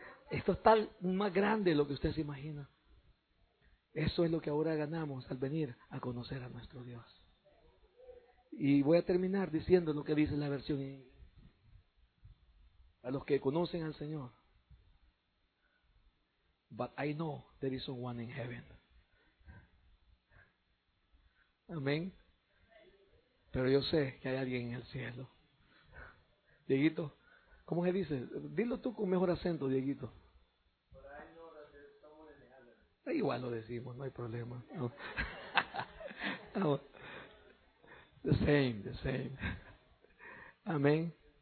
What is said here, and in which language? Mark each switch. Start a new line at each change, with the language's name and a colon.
Spanish: Esto está más grande de lo que usted se imagina. Eso es lo que ahora ganamos al venir a conocer a nuestro Dios. Y voy a terminar diciendo lo que dice la versión. A los que conocen al Señor.
English: But I know there is one in heaven.
Spanish: Amén. Pero yo sé que hay alguien en el cielo. Dieguito, ¿cómo se dice? Dilo tú con mejor acento, Dieguito. Igual lo decimos, no hay problema.
English: No. No. The same. Amén.